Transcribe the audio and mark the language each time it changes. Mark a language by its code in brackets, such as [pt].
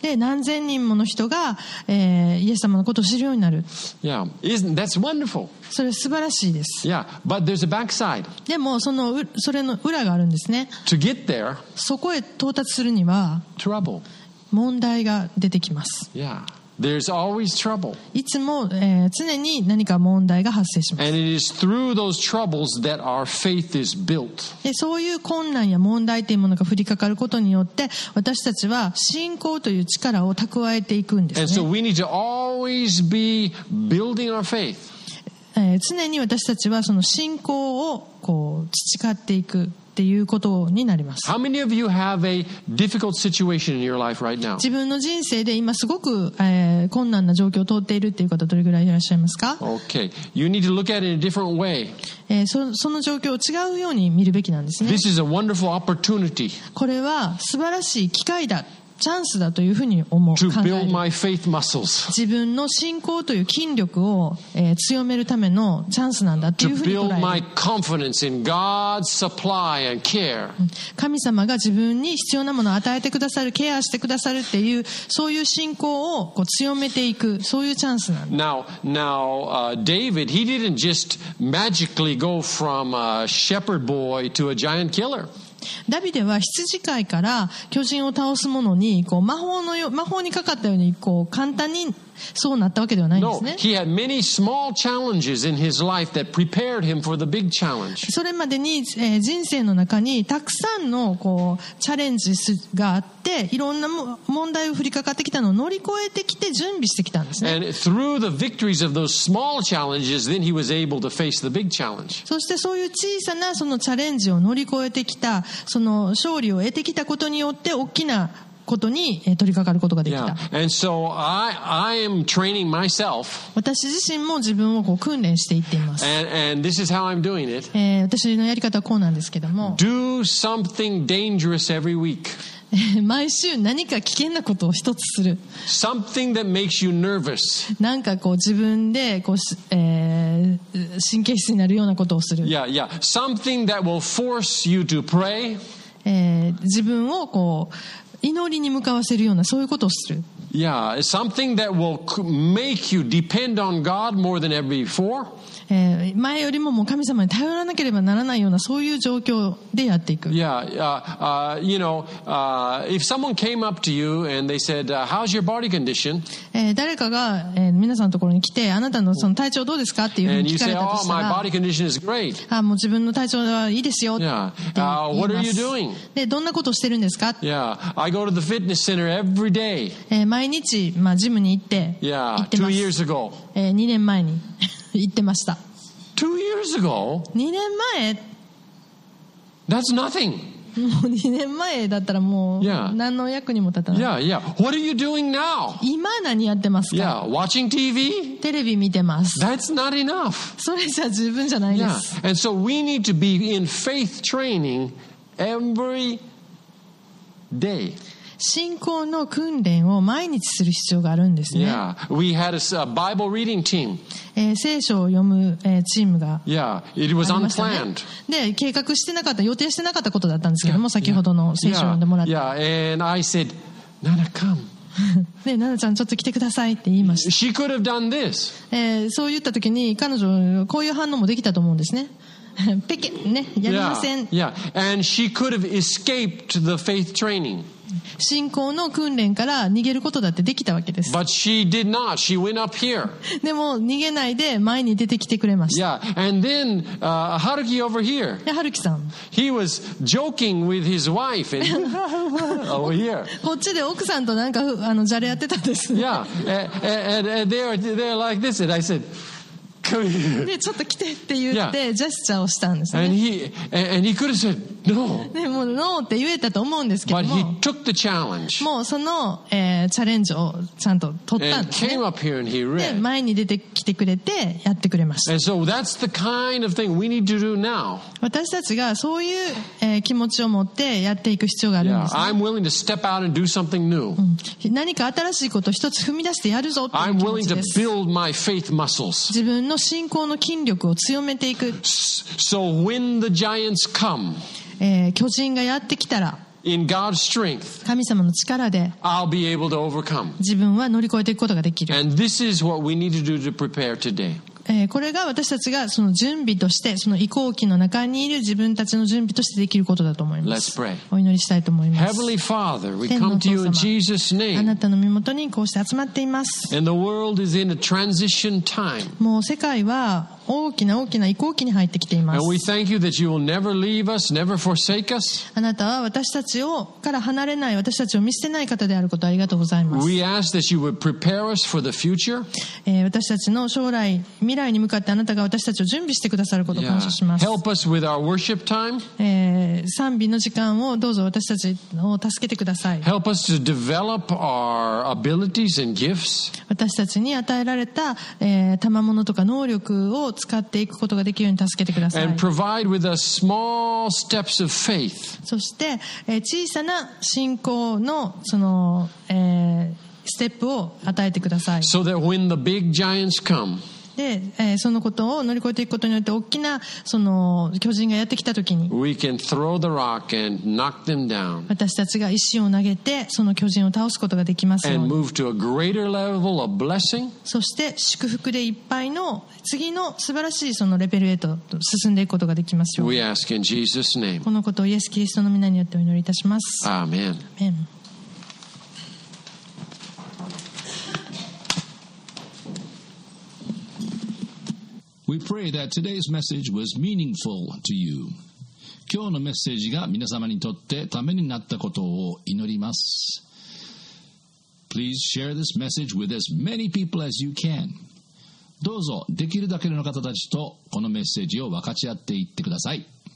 [ja] で何千人もの人が、イエス様のことを知るようになる。 [en] Yeah, isn't that's wonderful? [ja] それ素晴らしいです。 [en] Yeah, but there's a backside. [ja] でもそれの裏があるんですね。 [en] To get there, [ja] そこへ到達するには、 [en] trouble. [ja] 問題が出てきます。 [en] Yeah, there's always trouble. [ja] いつも、常に何か問題が発生します。 [en] And it is through those troubles that our faith is built. [ja] でそういう困難や問題というものが降りかかることによって、私たちは信仰という力を蓄えていくんですね。 [en] And so we need to always be building our faith. [ja] 常に私たちはその信仰をこう培っていくっていうことになります。 [en] How many of you have a difficult situation in your life right now? [ja] 自分の人生で今すごく、困難な状況を通っているっていう方どれぐらいいらっしゃいますか？ [en] Okay. You need to look at it in a different way. [ja] その状況を違うように見るべきなんですね。 [en] This is a wonderful opportunity. [ja] これは素晴らしい機会だ、チャンスだというふうに思う、 [en] to build my faith muscles. [ja] 自分の信仰という筋力を、強めるためのチャンスなんだというふうに捉える。 [en] to build my confidence in God's supply and care. [ja] 神様が自分に必要なものを与えてくださる、ケアしてくださるっていう、そういう信仰をこう強めていく、そういうチャンスなんだ。 [en] Now, David, he didn't just magically go from a shepherd boy to a giant killer. [ja] ダビデは羊飼いから巨人を倒すものにこう 魔法にかかったようにこう簡単にそうなったわけではないんですね。 [en] No, he had many small challenges in his life that prepared him for the big challenge. [ja] それまでに、人生の中にたくさんのこうチャレンジがあって、いろんな問題を降りかかってきたのを乗り越えてきて準備してきたんですね。 [en] And through the victories of those small challenges, then he was able to face the big challenge. [ja] そしてそういう小さなそのチャレンジを乗り越えてきた、その勝利を得てきたことによって大きなことに取り掛かることができた。 [en] Yeah. And so I am training myself. [ja] 私自身も自分をこう訓練していっています。 [en] And this is how I'm doing it. [ja] 私のやり方はこうなんですけども、 [en] Do something dangerous every week. [ja] 毎週何か危険なことを一つする。 [en] Something that makes you nervous. [ja] なんかこう自分でこう、神経質になるようなことをする。 [en] Yeah, yeah. Something that will force you to pray. [ja] 自分をこう祈りに向かわせるような、そういうことをする。 [en] Yeah, something that will make you depend on God more than ever before. [ja] 前よりももう神様に頼らなければならないようなそういう状況でやっていく。 [en] Yeah, you know, if someone came up to you and they said, how's your body condition? [ja] 誰かが、皆さんのところに来てあなたのその体調どうですかっていうふうに聞かれたとしたら、 [en] And you say, oh, my body condition is great. [ja] あ、もう自分の体調はいいですよ。 [en] Yeah, what are you doing? [ja] で、どんなことをしてるんですか? [en] Yeah, I go to the fitness center every day. [ja] 毎日、まあ、ジムに行って、 [en] Yeah, 2 years ago. [ja] 2年前に。言ってました。 [en] Two years ago? [ja] 2年前 [en] That's nothing. [ja] もう2年前だったらもう何の役にも立たない。 [en] Yeah, yeah. What are you doing now? [ja] 今何やってますか。 [en] Yeah, watching TV? [ja] テレビ見てます。 [en] That's not enough. [ja] それじゃ十分じゃないです。 [en] Yeah, and so we need to be in faith training every day. [ja] 信仰の訓練を毎日する必要があるんですね。 [en] Yeah, we had a Bible reading team. [ja] 聖書を読む、チームが、 [en] ね。Yeah, it was unplanned. [ja] で、計画してなかった、予定してなかったことだったんですけども、先ほどの聖書を読んでもらった。 [en] Yeah, and I said, Nana, come. [ja] で、ナナちゃんちょっと来てくださいって言いました。 [en] She could have done this. [ja] そう言った時に彼女こういう反応もできたと思うんですね。ペケね、やりません。 [en] Yeah, yeah, and she could have escaped the faith training. [ja] 信仰の訓練から逃げることだってできたわけです。 [en] But she did not. She went up here. [ja] でも逃げないで前に出てきてくれました。 [en] Yeah. And then, Haruki over here. [ja] で、ハルキさん。 [en] He was joking with his wife and over here. [ja] こっちで奥さんとなんかじゃれ合ってたんです。 [en] Yeah. And they're like this. And I said, come here. [ja] で、ちょっと来てって言って、yeah. ジェスチャーをしたんですね。 [en] And he could have said, [ja] でもノーって言えたと思うんですけども [en] But he took the challenge. [ja] もうその、チャレンジをちゃんと取ったんですね。 [en] And came up here and he read. [ja] で前に出てきてくれてやってくれました。 [en] And so that's the kind of thing we need to do now. [ja] 私たちがそういう、気持ちを持ってやっていく必要があるんですね。 [en] Yeah, I'm willing to step out and do something new. [ja] 何か新しいことを一つ踏み出してやるぞっていう気持ちです。 [en] I'm willing to build my faith muscles. [ja] 自分の信仰の筋力を強めていく。 [en] So when the giants come. [ja] 巨人がやってきたら [en] In God's strength, [ja] 神様の力で [en] I'll be able to overcome. [ja] 自分は乗り越えていくことができる。 [en] And this is what we need to do to prepare today. [ja] これが私たちがその準備としてその移行期の中にいる自分たちの準備としてできることだと思います。 [en] Let's pray. [ja] お祈りしたいと思います。 [en] Heavenly Father, we come to you in Jesus' name. [ja] あなたの身元にこうして集まっています。 [en] And the world is in a transition time. [ja] もう世界は大きな大きな移行期に入ってきています。 [en] And we thank you that you will never leave us, never forsake us. [ja] あなたは私たちをから離れない、私たちを見捨てない方であることありがとうございます。 [en] We ask that you would prepare us for the future. [ja] 私たちの将来、未来に向かってあなたが私たちを準備してくださることを感謝します。 [en] Yeah. Help us with our worship time. [ja] 賛美の時間をどうぞ私たちを助けてください。 [en] Help us to develop our abilities and gifts. [ja] 私たちに与えられた、賜物とか能力を使っていくことができるように助けてください。 [en] And provide with us small steps of faith. [ja] そして、小さな信仰のその、ステップを与えてください。 [en] So that when the big giants come, [ja] で、そのことを乗り越えていくことによって大きなその巨人がやってきたときに [en] We can throw the rock and knock them down. [ja] 私たちが石を投げてその巨人を倒すことができますように [en] And move to a greater level of blessing. [ja] そして祝福でいっぱいの次の素晴らしいそのレベルへと進んでいくことができますように。 [en] We ask in Jesus' name. [ja] このことをイエス・キリストの御名によってお祈りいたします。 [en] Amen. Amen. We pray that today's message was meaningful to you. [ja] 今日のメッセージが皆様にとってためになったことを祈ります。 [en] Please share this message with as many people as you can. [ja] どうぞできるだけの方たちとこのメッセージを分かち合っていってください。